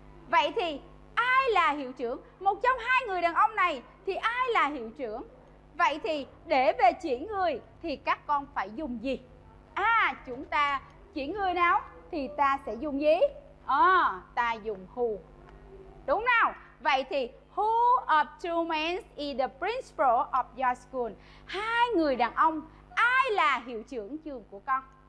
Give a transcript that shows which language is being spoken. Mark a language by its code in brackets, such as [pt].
[vi] Vậy thì ai là hiệu trưởng? Một trong hai người đàn ông này thì ai là hiệu trưởng? Vậy thì để về chỉ người thì các con phải dùng gì? Chúng ta chỉ người nào thì ta sẽ dùng gì? Ta dùng who. Đúng nào? Vậy thì [en] who of two men is the principal of your school? [vi] Hai người đàn ông, ai là hiệu trưởng trường của con?